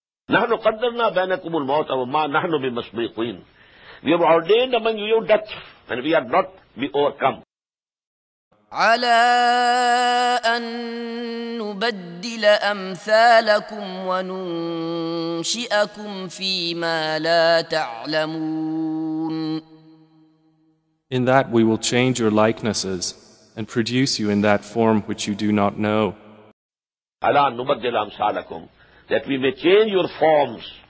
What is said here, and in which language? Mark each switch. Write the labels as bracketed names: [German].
[Arabic] نحن قدرنا بينكم الموت وما نحن بمسبوقين. [English] We have ordained among you your death, and we are not be overcome. [Arabic] على أن نبدل أمثالكم وننشئكم فيما لا تعلمون. [English] In that we will change your likenesses and produce you in that form which you do not know. [Arabic] على أن نبدل أمثالكم, [English] that we may change your forms.